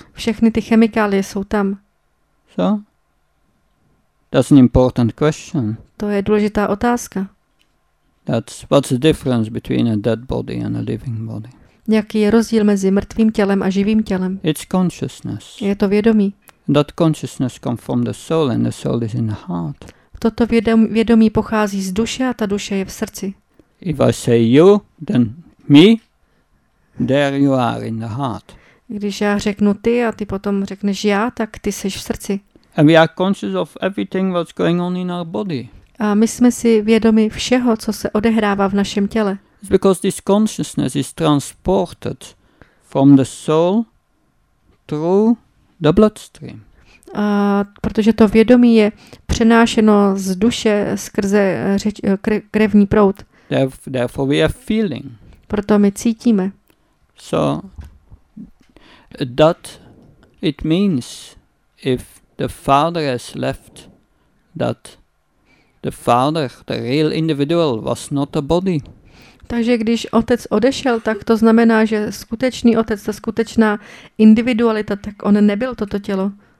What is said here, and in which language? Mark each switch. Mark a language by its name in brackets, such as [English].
[Czech] Všechny ty chemikálie jsou tam. [English] So? That's an important question. [Czech] To je důležitá otázka. [English] What's the difference between a dead body and a living body? [Czech] Jaký je rozdíl mezi mrtvým tělem a živým tělem? [English] It's consciousness. [Czech] Je to vědomí. [English] That consciousness comes from the soul and the soul is in the heart. [Czech] Toto vědomí pochází z duše a ta duše je v srdci. [English] If I say you, then me, there you are in the heart. [Czech] Když já řeknu ty a ty potom řekneš já, tak ty seš v srdci. [English] And we are conscious of everything what's going on in our body. [Czech] A my jsme si vědomi všeho, co se odehrává v našem těle. [English] It's because this consciousness is transported from the soul through the bloodstream. [Czech] A protože to vědomí je přenášeno z duše skrze krevní proud. [English] Therefore we are feeling. [Czech] Proto my cítíme. [English] So that it means if the father has left that the father, the real individual, was not a body. [Czech] Takže když otec odešel, tak to znamená, že skutečný otec, ta skutečná individualita, tak on nebyl toto tělo.